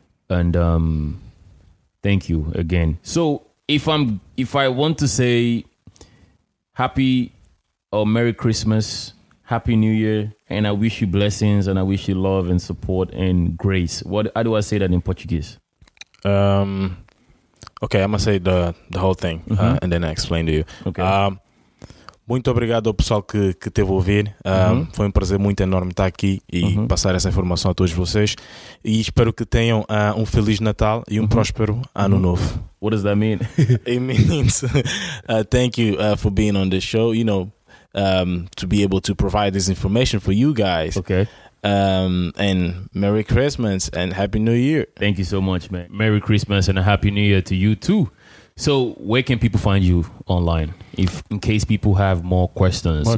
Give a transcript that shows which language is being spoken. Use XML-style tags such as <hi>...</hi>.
<en>And thank you again. So if I want to say happy or Merry Christmas, Happy New Year, and I wish you blessings and I wish you love and support and grace. How do I say that in Portuguese? Okay, I'm going to say the whole thing, mm-hmm, and then I explain to you. Okay.</en> <pt>Muito obrigado ao pessoal que teve a ouvir. Uhum. Foi um prazer muito enorme estar aqui e uhum, passar essa informação a todos vocês. E espero que tenham um Feliz Natal e um uhum, próspero Ano Novo.</pt> <en>What does that mean? It means thank you for being on the show. You know, to be able to provide this information for you guys. Okay. And Merry Christmas and Happy New Year. Thank you so much, man. Merry Christmas and a Happy New Year to you too. So where can people find you online in case people have more questions?</en>